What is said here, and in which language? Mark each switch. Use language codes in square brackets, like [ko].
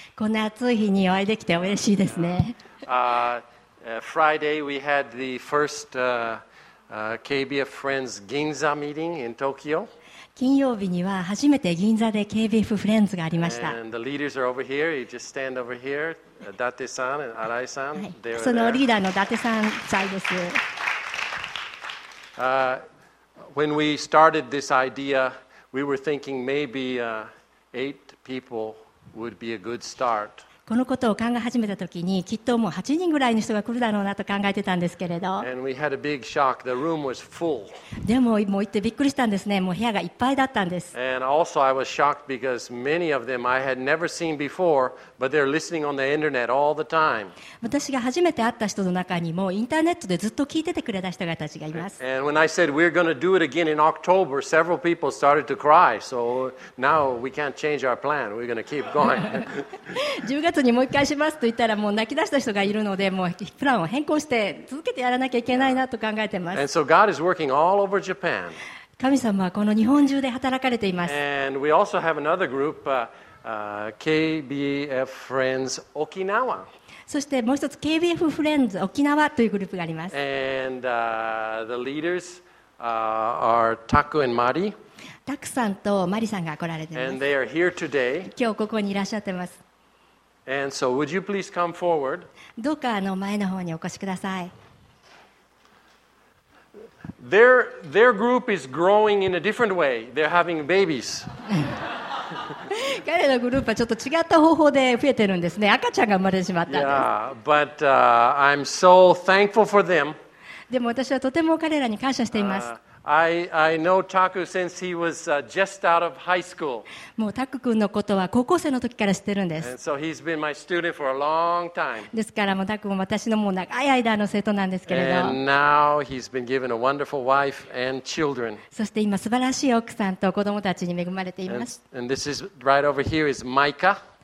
[ja] こんな暑い日にお会いできて嬉しいですね。 [en] Friday we had the first KBF Friends Ginza meeting in Tokyo. [ja] 金曜日には初めて銀座で KBF フレンズがありました。 [en] And the leaders are over here. You just stand over here. Date-san and Arai-san. There. [ja] そのリーダーの伊達さん在です。 [en] When we started this idea, we were thinking maybe eight people would be a good start. [ja] このことを考え始めたときに、きっともう8人ぐらいの人が来るだろうなと考えてたんですけれど。 [en] And we had a big shock. The room was full. [ja] でももう行ってびっくりしたんですね。もう部屋がいっぱいだったんです。 [en] And also I was shocked because many of them I had never seen before, but they're listening on the internet all the time. [ja] 私が初めて会った人の中にもインターネットでずっと聞いててくれた人たちがいます。 [en] And when I said we're going to do it again in October, several people started to cry. So now we can't change our plan. We're going to keep going. [ja] 10月にもう一回しますと言ったらもう泣き出した人がいるのでもうプランを変更して続けてやらなきゃいけないなと考えてます。 [en] And so God is working all over Japan. [ja] 神様はこの日本中で働かれています。 [en] And we also have another group, KBF Friends Okinawa. [ja] そしてもう一つ KBF Friends Okinawa というグループがあります。 [en] And the leaders are Taku and Mari. [ja] タクさんとマリさんが来られています。 [en] And they are here today. [ja] 今日ここにいらっしゃってます。 [en] And so, would you please come forward? [ja] どうかあの前の方にお越しください。 [en] Their group is growing in a different way. They're having babies. [ja] 彼のグループはちょっと違った方法で増えてるんですね。赤ちゃんが生まれてしまったんです。 [en] Yeah, but I'm so thankful for them. [ja] でも私はとても彼らに感謝しています。 [en] I know Taku since he was just out of high school. [ja] もうタク君のことは高校生の時から知ってるんです。 [en] And so he's been my student for a long time. [ja] ですからもうタク君は私のもう長い間の生徒なんですけれど。 [en] And now he's been given a wonderful wife and children. [ja] そして今素晴らしい奥さんと子供たちに恵まれています。 [en] And this is right over here is Micah.